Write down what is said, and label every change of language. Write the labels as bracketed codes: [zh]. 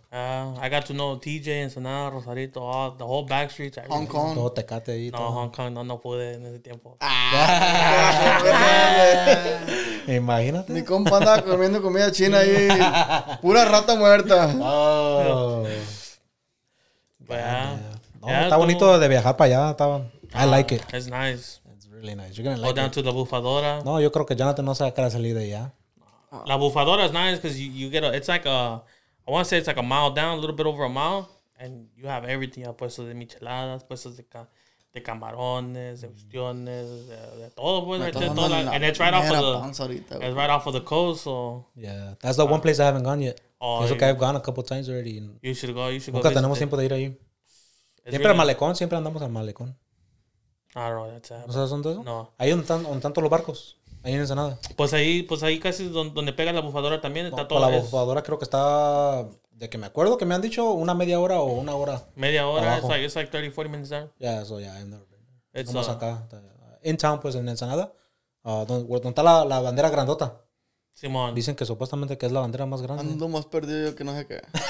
[en] I got to know TJ, Ensenada, Rosarito, all the whole back streets. Hong Kong. [es] Todo Tecate ahí. No, Hong Kong, no pude en ese tiempo. Imagínate. Mi compa andaba comiendo comida china ahí. Pura rata muerta. Oh. Pero, está bonito de viajar para allá. [en] I like it. It's nice. It's really nice. You're going to like it. Go down to La Bufadora. [es] No, yo creo que Jonathan no se va a querer salir de allá. [en] La Bufadora is nice because you get a, it's like a, I want to say it's like a mile down, a little bit over a mile, and you have everything. [es] Puestos de micheladas, puestos de camarones, de ustiones, de todo, pues, [en] right there, todo like, and it's right off of the, ahorita, it's right off of the coast, so. Yeah, that's the one place I haven't gone yet. Oh, okay, I've gone a couple times already. You should go. [es] Nunca tenemos tiempo de ir ahí. Siempre al malecón, siempre andamos al malecón. [en] I don't know, that's [es] ¿no sabes dónde es? No. Ahí donde están todos los barcos. Ahí en Ensenada. Pues ahí casi donde pega la Bufadora también está, no, todo. La Bufadora creo que está, de que me acuerdo que me han dicho, una media hora o una hora. Media hora, [en] it's like 30, 40 minutes there. Yeah, so yeah, I've never been. [es] Vamos acá. [en] In town, [es] pues, en Ensenada. Donde está la bandera grandota. Simón. Dicen que supuestamente que es la bandera más grande. Ando más perdido yo que no sé qué.